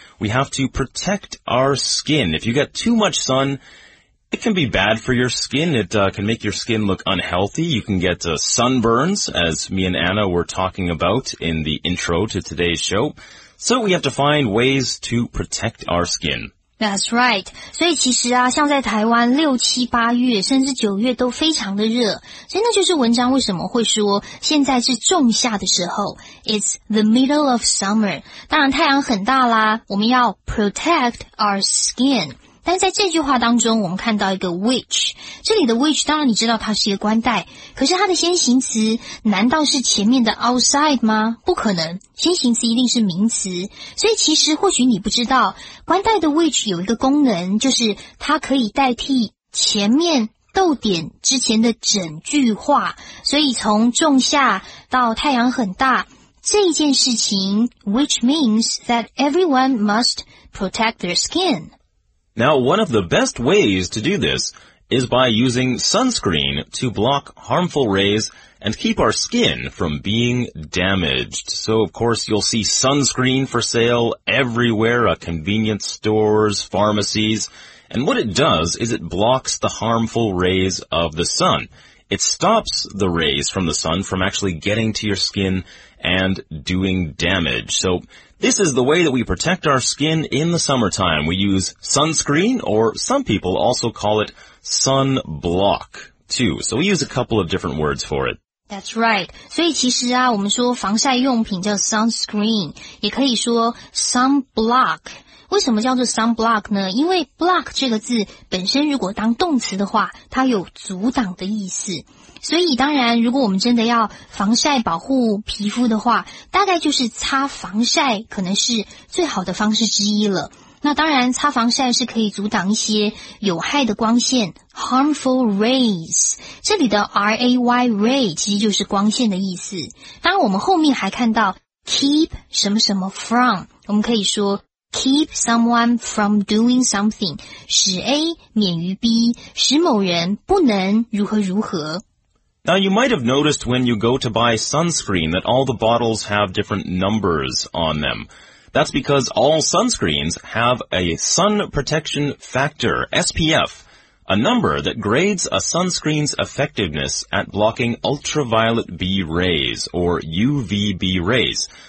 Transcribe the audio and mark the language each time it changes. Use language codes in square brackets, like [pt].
[en] We have to protect our skin. If you get too much sun, it can be bad for your skin. It can make your skin look unhealthy. You can get sunburns, as me and Anna were talking about in the intro to today's show. So we have to find ways to protect our skin. That's right. [zh] 所以其实啊，像在台湾六七八月甚至九月都非常的热。所以那就是文章为什么会说现在是仲夏的时候。 [en] It's the middle of summer. [zh] 当然太阳很大啦，我们要 [en] protect our skin. [zh] 但在这句话当中我们看到一个 which, 这里的 which 当然你知道它是一个冠带，可是它的先行词难道是前面的 outside 吗？不可能，先行词一定是名词，所以其实或许你不知道冠带的 which 有一个功能，就是它可以代替前面逗点之前的整句话，所以从仲夏到太阳很大这一件事情 [en] which means that everyone must protect their skin. Now, one of the best ways to do this is by using sunscreen to block harmful rays and keep our skin from being damaged. So, of course, you'll see sunscreen for sale everywhere, convenience stores, pharmacies. And what it does is it blocks the harmful rays of the sun. It stops the rays from the sun from actually getting to your skin and doing damage. So... This is the way that we protect our skin in the summertime. We use sunscreen, or some people also call it sunblock, too. So we use a couple of different words for it. That's right. [zh] 所以其实啊，我们说防晒用品叫 sunscreen， 也可以说 sunblock。为什么叫做 sunblock 呢？因为 block 这个字本身如果当动词的话，它有阻挡的意思。所以当然，如果我们真的要防晒保护皮肤的话，大概就是擦防晒可能是最好的方式之一了。那当然，擦防晒是可以阻挡一些有害的光线 ，harmful rays。这里的 ray ray 其实就是光线的意思。当然，我们后面还看到 keep 什么什么 from， 我们可以说 [en] keep someone from doing something， [zh] 使 A 免于 B， 使某人不能如何如何。 [en] Now you might have noticed when you go to buy sunscreen that all the bottles have different numbers on them. That's because all sunscreens have a sun protection factor, SPF, a number that grades a sunscreen's effectiveness at blocking ultraviolet B rays or UVB rays.